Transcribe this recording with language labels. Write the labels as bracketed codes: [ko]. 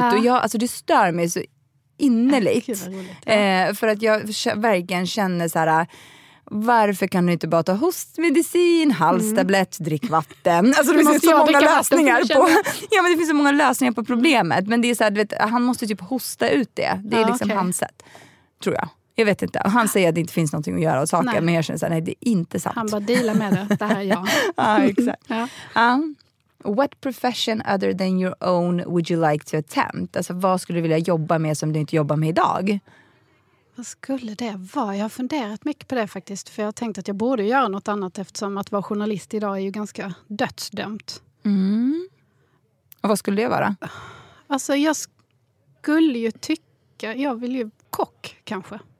[sv] Och jag, alltså det stör mig så innerligt. För att jag verkligen känner så här, varför kan du inte bara ta hostmedicin, halstablett, drick vatten? Alltså det finns så många lösningar på. Ja, men det finns så många lösningar på problemet, men det är så här, du vet, han måste typ hosta ut det. Det är liksom hans sätt, tror jag. Jag vet inte. Han säger att det inte finns någonting att göra och saker, men jag känner så här, nej, det är inte sant. Han bara dealar med det här, ja. Ja, exakt. Ja. [en] What profession other than your own would you like to attempt? [sv] Alltså vad skulle du vilja jobba med som du inte jobbar med idag? Vad skulle det vara? Jag har funderat mycket på det faktiskt. För jag har tänkt att jag borde göra något annat, eftersom att vara journalist idag är ju ganska dödsdömt. Och vad skulle det vara? Alltså jag skulle ju tycka, jag vill ju kock kanske.